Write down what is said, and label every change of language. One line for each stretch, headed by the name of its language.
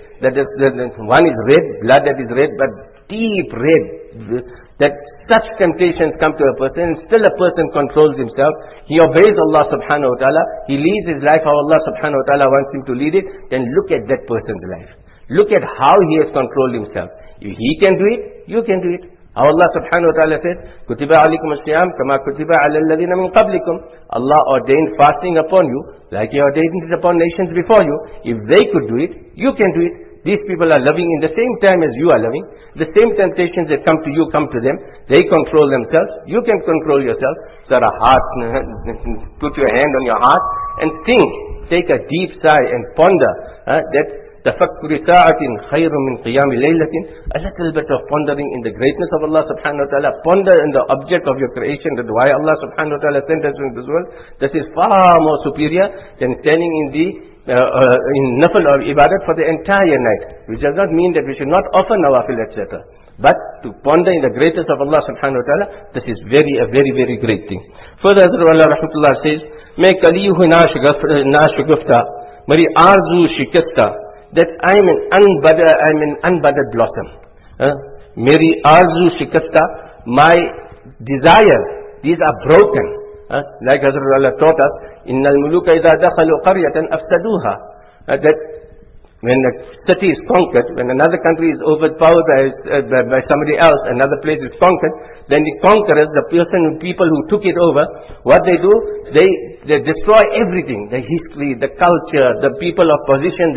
English: That is, one is red, blood that is red, but deep red. That such temptations come to a person, and still a person controls himself, he obeys Allah subhanahu wa ta'ala, he leads his life how Allah subhanahu wa ta'ala wants him to lead it, then look at that person's life. Look at how he has controlled himself. If he can do it, you can do it. How Allah subhanahu wa ta'ala said,
Arabic: كُتِبَ عَلِكُمُ الصِّيَامُ كَمَا كُتِبَ عَلَى الَّذِينَ مِنْ قَبْلِكُمْ.
English: Allah ordained fasting upon you, like he ordained it upon nations before you. If they could do it, you can do it. These people are loving in the same time as you are loving. The same temptations that come to you, come to them. They control themselves. You can control yourself. Set a heart, put your hand on your heart and think. Take a deep sigh and ponder.
Arabic: That تَفَكُّرِ سَاعَةٍ خَيْرٌ مِّنْ قِيَامِ لَيْلَةٍ.
English: A little bit of pondering in the greatness of Allah subhanahu wa ta'ala. Ponder in the object of your creation, that why Allah subhanahu wa ta'ala sent us into this world. This is far more superior than standing in the in nafil of ibadat for the entire night, which does not mean that we should not offer nawafil, etc. But to ponder in the greatness of Allah subhanahu wa ta'ala, this is a very, very great thing. Further, Hazrat Allah rahmatullah says,
Urdu: May kaliyuhu naashugufta, mari arzu shikatta,
English: that I am an unbudded blossom.
Urdu: Meri arzu shikatta,
English: my desires, these are broken. Like Hazrat Allah taught us,
Arabic: إن الملوك إذا دخلوا قرية أفسدوها.
English: That when a city is conquered, when another country is overpowered by somebody else, another place is conquered, then the conquerors, the person, people who took it over, what they do? They destroy everything, the history, the culture, the people of position.